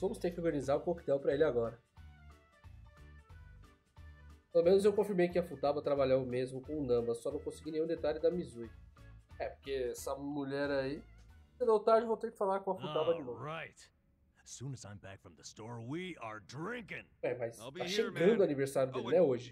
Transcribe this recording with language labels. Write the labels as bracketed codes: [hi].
[pt] Vamos ter que organizar o coquetel pra ele agora. Pelo menos eu confirmei que a Futaba trabalhou mesmo com o Namba. Só não consegui nenhum detalhe da Mizui. É, porque essa mulher aí... Se não tarde, vou ter que falar com a Futaba de novo. [en] Right. As soon as I'm back from the store, we are drinking. [pt] É, mas tá chegando o aniversário dele, né, hoje.